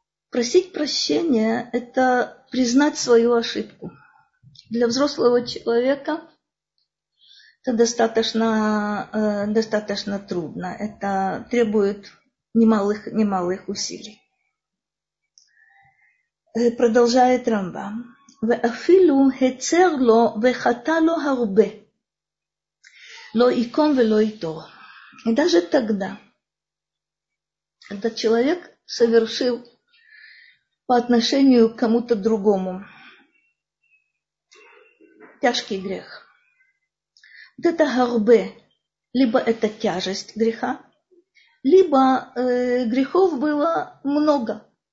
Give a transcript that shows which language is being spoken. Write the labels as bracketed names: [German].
[Russian] Просить прощения – это признать свою ошибку. Для взрослого человека это достаточно трудно, это требует немалых усилий. Продолжает Рамбам. [Hebrew] ואפילו הצר לו וחטא לו הרבה, לא יקום ולא יתור. [Russian] И даже тогда, когда человек совершил по отношению к кому-то другому тяжкий грех, вот это הרבה, либо это тяжесть греха, либо грехов было много.